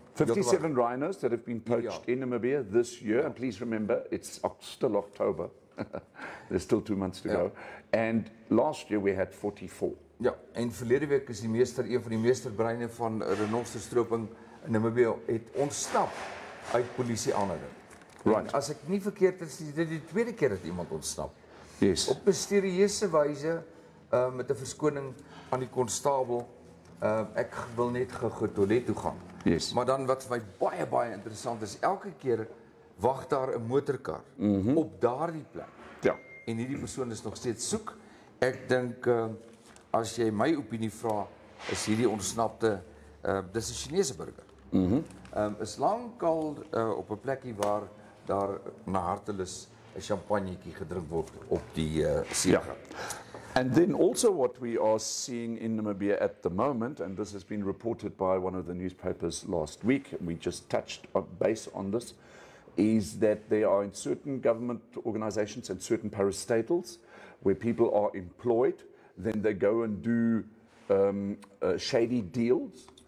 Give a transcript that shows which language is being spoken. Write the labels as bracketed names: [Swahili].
[English] 57 rhinos that have been poached in Namibia this year. Ja. And please remember, it's still October. There's still 2 months to go. And last year we had 44. [Afrikaans] Ja, en verlede week is een van die meester breine van renoster stroping in Namibia het ontsnap uit polisie aanhouding. [English] Right. [Afrikaans] As ek nie verkeerd is, dit is die tweede keer dat iemand ontsnap. [English] Yes. [Afrikaans] Op mysterieuse wyse met 'n verskoning aan die konstabel ek wil net gou toilet toe gaan. [English] Yes. [Afrikaans] Maar dan wat my baie baie interessant is, elke keer wag daar 'n motorkar op daardie plek. Ja. En hierdie persoon is nog steeds soek. Ek dink as jy my opinie vra, is hierdie ontsnapte dis 'n Chinese burger. Is lankal op 'n plekkie waar daar na hartelus 'n champagnetjie gedrink word op die seegang. [English] Yeah. And then also what we are seeing in Namibia at the moment, and this has been reported by one of the newspapers last week, we just touched base on this, is that there are in certain government organizations and certain parastatals where people are employed, then they go and do shady deals.